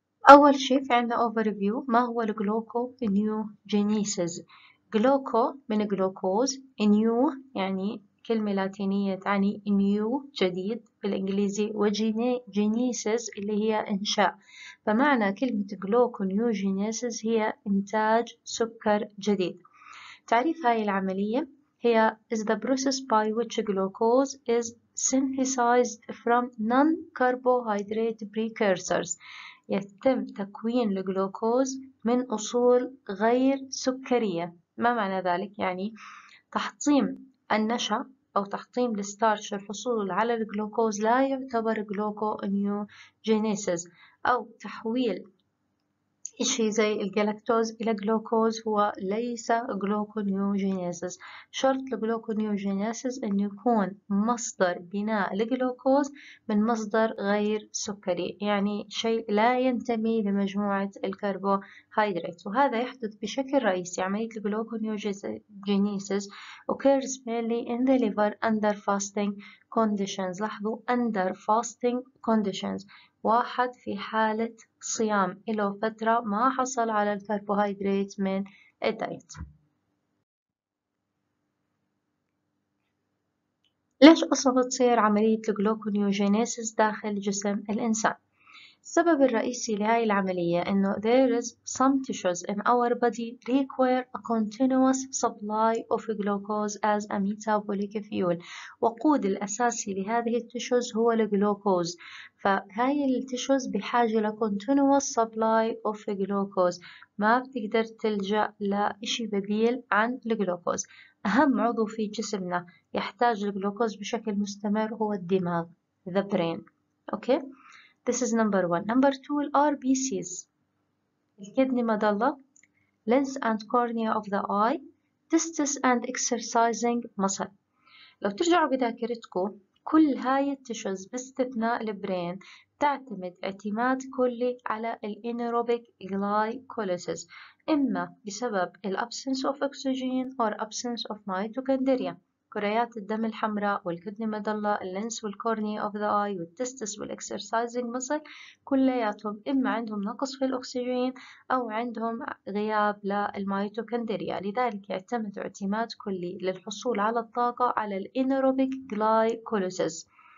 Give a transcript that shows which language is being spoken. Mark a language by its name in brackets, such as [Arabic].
[Arabic] أول شيء في عندنا overview، ما هو الجلوكوجينيسيس؟ جلوكو من جلوكوز، نيو يعني كلمة لاتينية تعني نيو جديد بالإنجليزي، وجينيسيس اللي هي إنشاء. فمعنى كلمة جلوكو نيو جينيسيس هي إنتاج سكر جديد. تعريف هاي العملية هي [English] is the process by which glucose is synthesized from non-carbohydrate precursors. [Arabic] يتم تكوين الجلوكوز من أصول غير سكرية. ما معنى ذلك؟ يعني تحطيم النشا أو تحطيم الستارش للحصول على الجلوكوز لا يعتبر جلوكو نيو جينيسيس، أو تحويل شيء زي الجلاكتوز إلى جلوكوز هو ليس جلوكو نيو جينيسيس. شرط الجلوكو نيو جينيسيس أن يكون مصدر بناء الجلوكوز من مصدر غير سكري، يعني شيء لا ينتمي لمجموعة الكربوهيدرات. وهذا يحدث بشكل رئيسي. عملية الجلوكو نيو جينيسيس [English] occurs mainly in the liver under fasting conditions. [Arabic] لاحظوا [English] under fasting conditions، [Arabic] واحد في حالة صيام له فترة ما حصل على الكربوهيدرات من الدايت. ليش أصلا تصير عملية الجلوكونيوجينيسيس داخل جسم الإنسان؟ السبب الرئيسي لهذه العملية أنه [English] there is some tissues in our body require a continuous supply of glucose as a metabolic fuel. [Arabic] وقود الأساسي لهذه التشوز هو الجلوكوز، فهاي التشوز بحاجة ل [English] continuous supply of glucose، [Arabic] ما بتقدر تلجأ لإشي بديل عن الجلوكوز. أهم عضو في جسمنا يحتاج الجلوكوز بشكل مستمر هو الدماغ the brain. [English] Okay. This is number one. Number two, RBCs. الكدني مظلة, lens and cornea of the eye, testis and exercising muscle. [Arabic] لو ترجعوا بذاكرتكم كل هاي التشوز باستثناء البرين تعتمد اعتماد كلي على الانيروبيك glycolysis، إما بسبب الابسنس اوف اكسجين أو الابسنس اوف ميتوكوندريا. كريات الدم الحمراء والكدني مظلة اللينس والكورني of the eye والتستس والإكسرسايزنج مصل كلياتهم إما عندهم نقص في الأكسجين أو عندهم غياب للميتوكندريا، لذلك يعتمد اعتماد كلي للحصول على الطاقة على الإنيروبيك جلايكوليسيس.